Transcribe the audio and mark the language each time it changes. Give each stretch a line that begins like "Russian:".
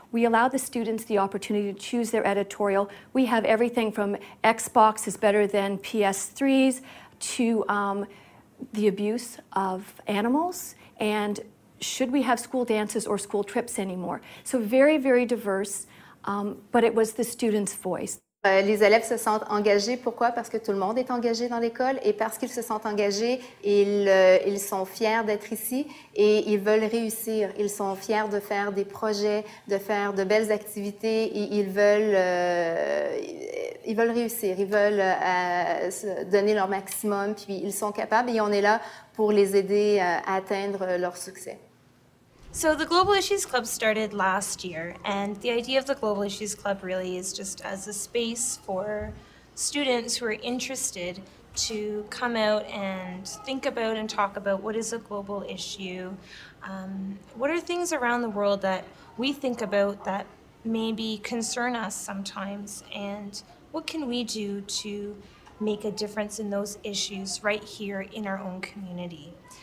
English: We allow the students the opportunity to choose their editorial. We have everything from Xbox is better than PS3s to the abuse of animals and should we have school dances or school trips anymore. So very, very diverse, but it was the students' voice.
French: Les élèves se sentent engagés. Pourquoi? Parce que tout le monde est engagé dans l'école et parce qu'ils se sentent engagés, ils sont fiers d'être ici et ils veulent réussir. Ils sont fiers de faire des projets, de faire de belles activités et ils veulent réussir. Ils veulent donner leur maximum puis ils sont capables et on est là pour les aider à atteindre leur succès.
English: So the Global Issues Club started last year, and the idea of the Global Issues Club really is just as a space for students who are interested to come out and think about and talk about what is a global issue, what are things around the world that we think about that maybe concern us sometimes, and what can we do to make a difference in those issues right here in our own community.